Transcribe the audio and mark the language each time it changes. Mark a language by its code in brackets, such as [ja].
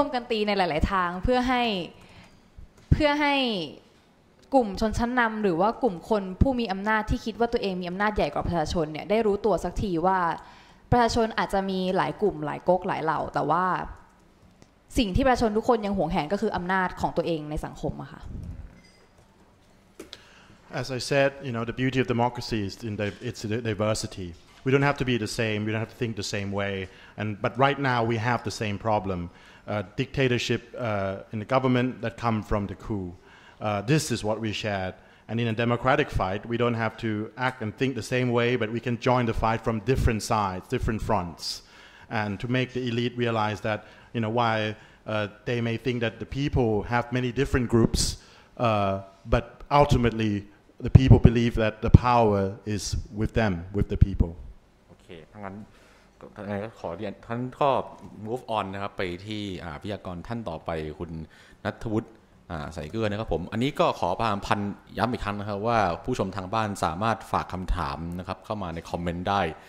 [th] ตีในหลายๆทางเพื่อให้กลุ่มชนชั้นนำหรือว่ากลุ่มคนผู้มีอำนาจที่คิดว่าตัวเองมีอำนาจใหญ่กว่าประชาชนเนี่ยได้รู้ตัวสักทีว่าประชาชนอาจจะมีหลายกลุ่มหลายก๊กหลายเหล่าแต่ว่าสิ่งที่ประชาชนทุกคนยังหวงแหนก็คืออำนาจของตัวเองในสังคมอะค่ะ [en] As I said, you know, the beauty of democracy is in its diversity. We don't have to be the same. We don't have to think the same way. But right now we have the same problem. Dictatorship in the government that come from the coup. This is what we shared. And in a democratic fight, we don't have to act and think the same way, but we can join the fight from different sides, different fronts. And to make the elite realize that, you know, why they may think that the people have many different groups, but ultimately,The people believe that the power is with them, with the people. [th] Okay, ถ้างั้นท่านก็ขอเรียนท่านก็ [en] move on [th] นะครับไปที่พิธีกรท่านต่อไปคุณณัฐวุฒิใส่เกลือนะครับผมอันนี้ก็ขอความพันย้ำอีกครั้งนะครับว่าผู้ชมทางบ้านสามารถฝากคำถามนะครับเข้ามาในคอมเมนต์ได้